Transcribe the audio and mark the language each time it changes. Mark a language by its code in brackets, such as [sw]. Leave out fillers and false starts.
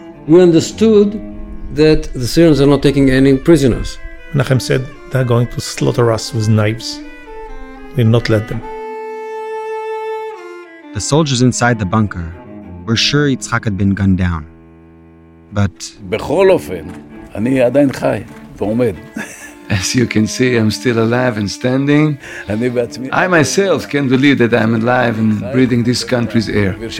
[en] We understood that the Syrians are not taking any prisoners. Menachem said, "They're going to slaughter us with knives. We'll not let them." The soldiers inside the bunker were sure Yitzhak had been gunned down. But [he] בכל אופן, אני עדיין חי ועומד. [en] As you can see, I'm still alive and standing. I myself can't believe that I'm alive and breathing this country's air.